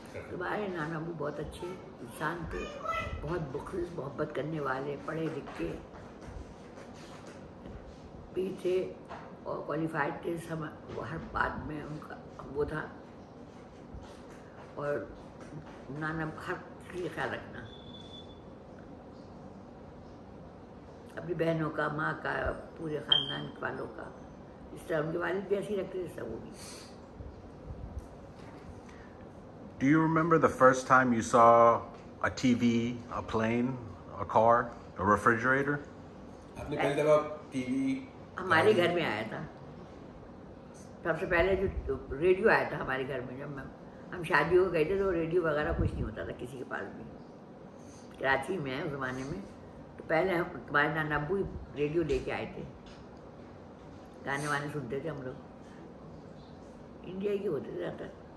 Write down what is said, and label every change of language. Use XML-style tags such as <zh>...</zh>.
<hi>तुम्हारे नाना अबू बहुत अच्छे इंसान थे बहुत मुखलिस मोहब्बत करने वाले पढ़े लिखे भी थे और क्वालिफाइड थे सब हर बात में उनका वो था और नाना हर चीज़ ख्याल रखना अपनी बहनों का माँ का पूरे ख़ानदान वालों का इस तरह उनके वालिद भी ऐसी रखते थे सब वो भी</hi> <en>Do you remember the first time you saw a TV, a plane, a car, a refrigerator?</en> <hi>आपने पहली दफा टीवी हमारे घर में आया था सबसे पहले जो रेडियो आया था हमारे घर में जब हम शादी हो गए थे तो रेडियो वगैरह कुछ नहीं होता था किसी के पास भी कराची में उस जमाने में तो पहले हम तुम्हारे नाना अबू रेडियो लेके आए थे गाने वाने सुनते थे हम लोग इंडिया के होते थे ज़्यादातर</hi>